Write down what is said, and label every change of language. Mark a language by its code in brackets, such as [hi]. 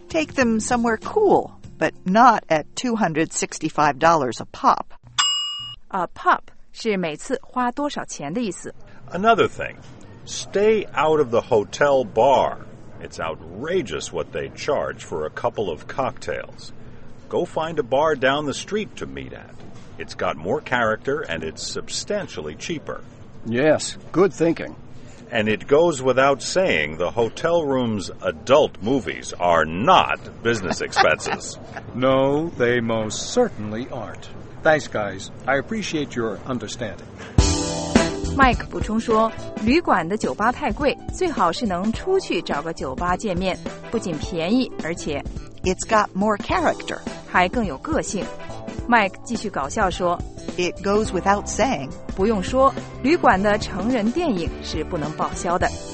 [en] Take them somewhere cool, but not at $265 a pop. A pop [zh] 是每次花多少钱的意思。 [en] Another thing, stay out of the hotel bar. It's outrageous what they charge for a couple of cocktails. Go find a bar down the street to meet at. It's got more character and it's substantially cheaper. Yes, good thinking. And it goes without saying, the hotel room's adult movies are not business expenses. No, they most certainly aren't. Thanks, guys. I appreciate your understanding. [zh] Mike 补充说，旅馆的酒吧太贵，最好是能出去找个酒吧见面，不仅便宜，而且 [en] It's got more character. [zh] 还更有个性。Mike 继续搞笑说 [en] It goes without saying. [zh] 不用说，旅馆的成人电影是不能报销的。